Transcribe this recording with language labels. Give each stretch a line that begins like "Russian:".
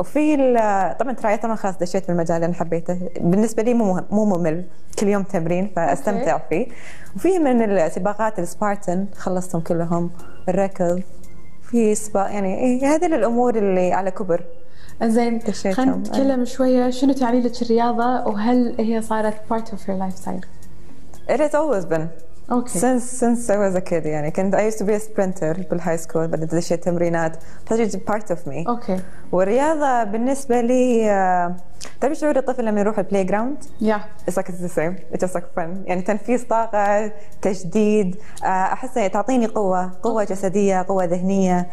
Arabic: وفي طبعا ترايات انا خلاص دشيت في المجال اللي حبيته، بالنسبه لي مو ممل كل يوم تمرين فاستمتع فيه. وفي من السباقات السبارتن خلصتهم كلهم، الركض في سباق، يعني هذه الامور اللي على كبر. زين خلينا نتكلم شويه، شنو تعليلك الرياضه وهل هي صارت
English: Part of your life style? It has always been. Okay. Since I was a kid,
Arabic: يعني كنت
English: I used to be a sprinter
Arabic: في
English: high school،
Arabic: بدأت أشياء تمرينات، فصارت
English: part of me. Okay.
Arabic: والرياضة بالنسبة لي تعرف شعور الطفل لما يروح البلاي جراوند؟
English: Yeah. It's like the same. It's just like fun.
Arabic: يعني تنفيذ طاقة، تجديد، أحس تعطيني قوة، قوة جسدية، قوة ذهنية.